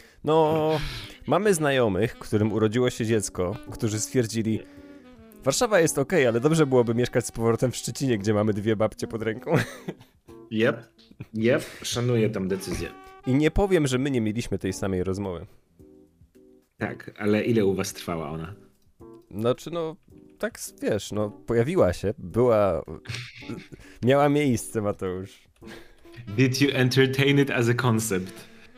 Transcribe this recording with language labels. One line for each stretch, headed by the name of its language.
Polish: No, mamy znajomych, którym urodziło się dziecko, którzy stwierdzili, Warszawa jest okej, ale dobrze byłoby mieszkać z powrotem w Szczecinie, gdzie mamy dwie babcie pod ręką. Yep, szanuję tam decyzję. I nie powiem, że my nie mieliśmy tej samej rozmowy. Tak, ale ile u was trwała ona? Znaczy, no, tak wiesz, no, pojawiła się, była, miała miejsce, Mateusz.
English: Did you entertain it as a concept?